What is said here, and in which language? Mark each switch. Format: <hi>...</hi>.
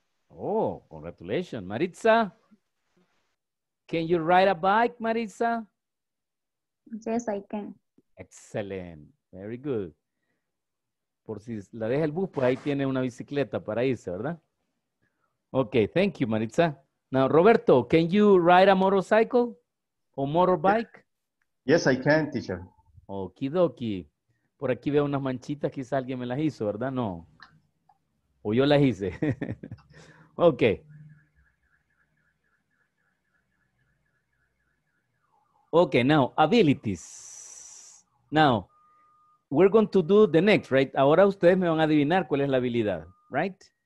<en>Oh, congratulations. Maritza, can you ride a bike, Maritza? Yes, I can. Excellent. Very good.</en> <es>Por si la deja el bus, pues ahí tiene una bicicleta para irse, ¿verdad?</es> <en>Okay, thank you, Maritza. Now, Roberto, can you ride a motorcycle or motorbike? Yes, I can, teacher. Okie dokie.</en> <es>Por aquí veo unas manchitas, quizás alguien me las hizo, ¿verdad? No. O yo las hice. Okay.</es> <en>Okay, now, abilities. Now, we're going to do the next, right?</en> <es>Ahora ustedes me van a adivinar cuál es la habilidad,</es> <en>right?</en>